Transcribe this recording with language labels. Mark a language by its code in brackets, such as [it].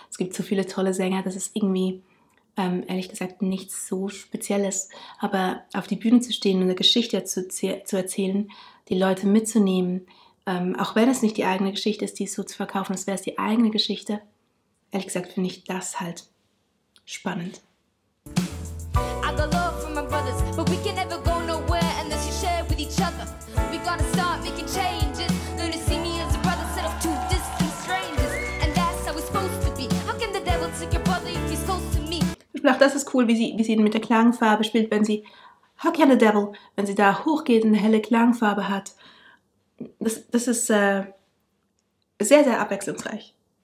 [de] Es gibt so viele tolle Sänger, das ist irgendwie, ehrlich gesagt, nichts so Spezielles. Aber auf die Bühne zu stehen und eine Geschichte zu erzählen, die Leute mitzunehmen, auch wenn es nicht die eigene Geschichte ist, die so zu verkaufen, das wäre es die eigene Geschichte, ehrlich gesagt, finde ich das halt spannend. [en] I got love for my brothers, but we can never go nowhere unless you share with each other. We gotta start making changes. Learn to see me as a brother instead of two distant strangers. And that's how we're supposed to be. How can the devil take your brother if he's close to me? [de] Ach, das ist cool, wie sie mit der Klangfarbe spielt, wenn sie [en] How can the devil, [de] wenn sie da hochgeht und eine helle Klangfarbe hat. Das ist sehr, sehr abwechslungsreich.